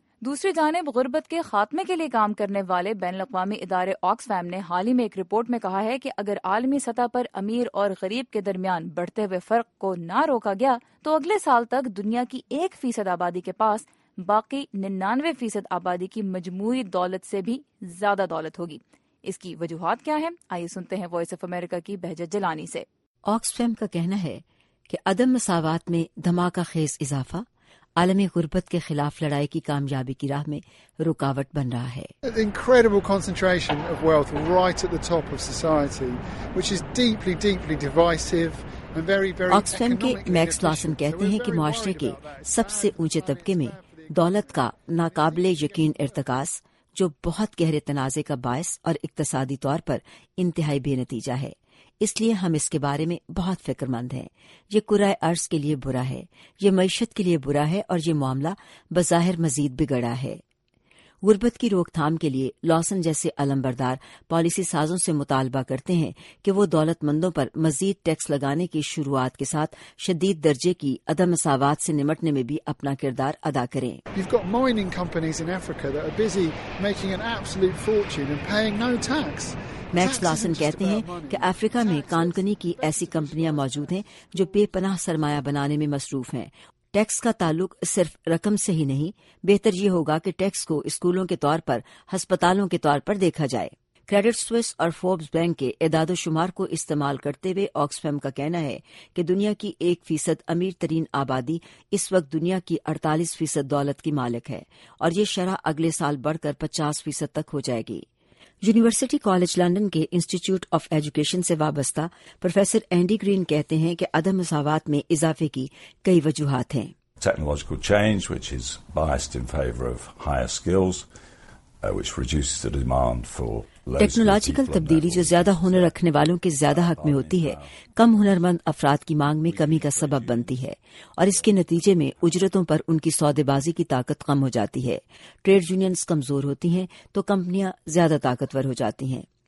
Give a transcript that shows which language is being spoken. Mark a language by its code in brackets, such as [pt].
[ur] دوسری جانب غربت کے خاتمے کے لیے کام کرنے والے بین الاقوامی ادارے آکس فیم نے حال ہی میں ایک رپورٹ میں کہا ہے کہ اگر عالمی سطح پر امیر اور غریب کے درمیان بڑھتے ہوئے فرق کو نہ روکا گیا تو اگلے سال تک دنیا کی 1% آبادی کے پاس باقی 99% آبادی کی مجموعی دولت سے بھی زیادہ دولت ہوگی. اس کی وجوہات کیا ہیں؟ آئیے سنتے ہیں وائس آف امریکہ کی بہجت جلانی سے. آکس فیم کا کہنا ہے کہ عدم مساوات میں دھماکہ خیز اضافہ عالمی غربت کے خلاف لڑائی کی کامیابی کی راہ میں رکاوٹ بن رہا ہے. [en] Incredible concentration of wealth right at the top of society, which is deeply, deeply divisive. [ur] Oxfam کے میکس لاسن کہتے ہیں کہ معاشرے کے سب سے اونچے طبقے میں دولت کا ناقابل یقین ارتکاز جو بہت گہرے تنازع کا باعث اور اقتصادی طور پر انتہائی بے نتیجہ ہے, اس لیے ہم اس کے بارے میں بہت فکر مند ہیں. یہ کرہ ارض کے لیے برا ہے, یہ معیشت کے لیے برا ہے, اور یہ معاملہ بظاہر مزید بگڑا ہے. غربت کی روک تھام کے لیے لاسن جیسے علم بردار پالیسی سازوں سے مطالبہ کرتے ہیں کہ وہ دولت مندوں پر مزید ٹیکس لگانے کی شروعات کے ساتھ شدید درجے کی عدم مساوات سے نمٹنے میں بھی اپنا کردار ادا کریں. [en] You've got mining companies in Africa that are busy making an absolute fortune and paying no tax. [ur] Max Lawson کہتے ہیں کہ افریقہ میں کانکنی کی ایسی کمپنیاں موجود ہیں جو بے پناہ سرمایہ بنانے میں مصروف ہیں. ٹیکس کا تعلق صرف رقم سے ہی نہیں, بہتر یہ ہوگا کہ ٹیکس کو اسکولوں کے طور پر, ہسپتالوں کے طور پر دیکھا جائے. کریڈٹ سوئس اور فوربس بینک کے اعداد و شمار کو استعمال کرتے ہوئے آکس فیم کا کہنا ہے کہ دنیا کی 1% امیر ترین آبادی اس وقت دنیا کی 48% دولت کی مالک ہے, اور یہ شرح اگلے سال بڑھ کر 50% تک ہو جائے گی. یونیورسٹی کالج لندن کے انسٹیٹیوٹ آف ایجوکیشن سے وابستہ پروفیسر اینڈی گرین کہتے ہیں کہ عدم مساوات میں اضافے کی کئی وجوہات ہیں. [en] technological change which is biased in favour of higher skills which reduces the demand for [ur] technological تبدیلی جو زیادہ ہنر رکھنے والوں کے زیادہ حق میں ہوتی ہے کم ہنر مند افراد کی مانگ میں کمی کا سبب بنتی ہے, اور اس کے نتیجے میں اجرتوں پر ان کی سودے بازی کی طاقت کم ہو جاتی ہے. ٹریڈ یونینز کمزور ہوتی ہیں تو کمپنیاں زیادہ طاقتور ہو جاتی ہیں.